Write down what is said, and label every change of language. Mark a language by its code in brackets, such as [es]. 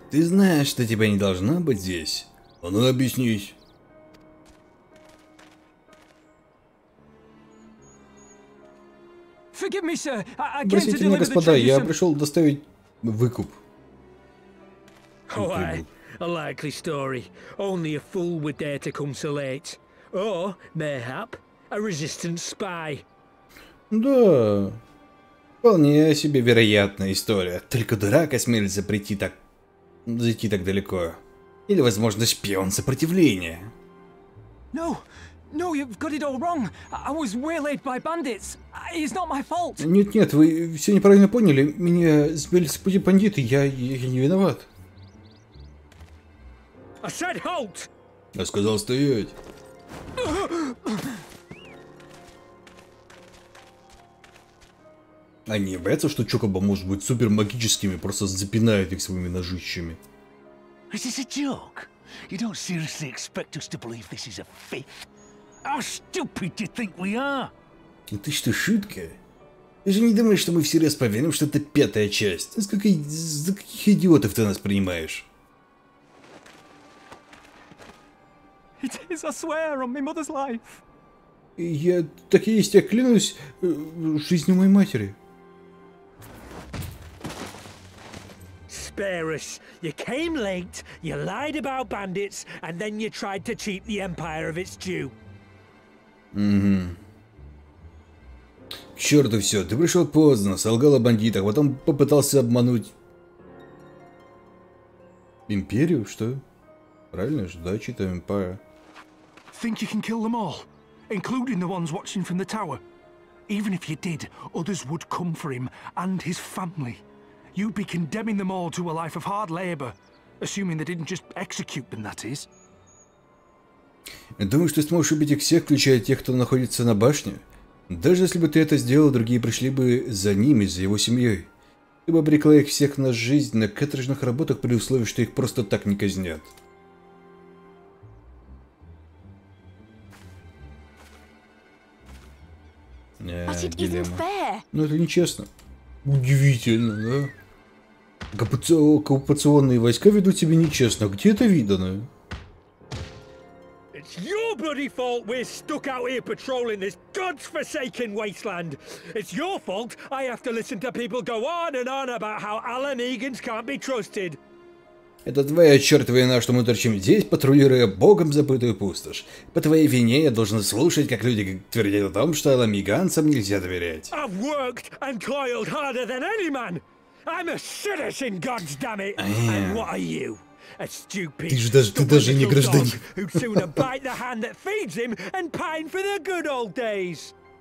[ru] Ты знаешь, что тебя не должно быть здесь. А ну, объяснись. [en] Forgive me, sir. [ru] Простите меня, господа, я пришел доставить выкуп. [en] Oh, a likely story. Only a fool would dare to come so late. Or, mayhap, a resistant spy. [ru] Да, вполне себе вероятная история. Только дурак осмелится прийти так... зайти так далеко. Или, возможно, шпион сопротивления. [en] No. No, you've got it all wrong. I was waylaid by bandits. It's not my fault. [ru] Нет, нет, вы все неправильно поняли. Меня сбили с пути бандиты. Я не виноват. [en] I said halt. [ru] Я сказал стоять. Они боятся, что Чокоба может быть супер магическими, просто запинают их своими ножищами. [en] Is this a joke? You don't seriously expect us to believe this is a fake? How stupid do you think we are? [ru] Ты что, шутка? Ты же не думаешь, что мы всерьез поверим, что это пятая часть? Сколько... за каких идиотов ты нас принимаешь? [en] It is, I swear, on my mother's life. [ru] Я так и есть, я клянусь жизнью моей матери. [en] Spare us. You came late, you lied about bandits, and then you tried to cheat the Empire of its due. [ru] Угу. Черт и все, ты пришел поздно, солгал о бандитах, потом попытался обмануть... Империю, что? Правильно же, да, читаю Empire. [en] Think you can kill them all, including the ones watching from the tower. Even if you did, others would come for him and his family. You'd be condemning them all to a life of hard labor, assuming they didn't just execute them, that is. [ru] Думаю, что сможешь убить их всех, включая тех, кто находится на башне. Даже если бы ты это сделал, другие пришли бы за ними, за его семьей. Ты бы обрекла их всех на жизнь на каторжных работах при условии, что их просто так не казнят. Дилемма. Но это нечестно. Удивительно, да? Оккупационные войска ведут себя нечестно. Где это видано? [en] It's your bloody fault we're stuck out here patrolling this godsforsaken wasteland. It's your fault I have to listen to people go on and on about how Alan Egan's can't be trusted. [ru] Это твоя чертова вина, что мы торчим здесь, патрулируя богом забытую пустошь. По твоей вине я должен слушать, как люди твердят о том, что Алан Иганцам нельзя доверять. [en] I've worked and toiled harder than any man. I'm a citizen, goddammit. And what are you? A stupid, [ru] ты даже не гражданин. [en] Who'd sooner bite the hand that feeds him and pine for the good old days?